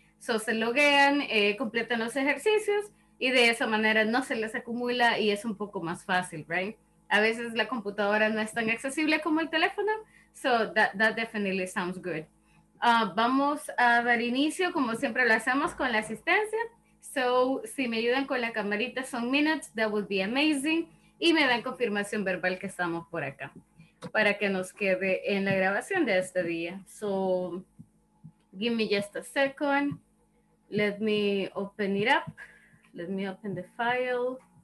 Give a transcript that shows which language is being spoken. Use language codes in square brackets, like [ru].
[es] So, se loguean, completan los ejercicios y de esa manera no se les acumula y es un poco más fácil, right? A veces la computadora no es tan accesible como el teléfono. [en] So, that definitely sounds good. [es] Vamos a dar inicio, como siempre lo hacemos, con la asistencia. [en] So, [es] si me ayudan con la camarita, [en] some minutes, that would be amazing. [es] Y me dan confirmación verbal que estamos por acá para que nos quede en la grabación de este día. [en] So, give me just a second. Let me open it up. Let me open the file.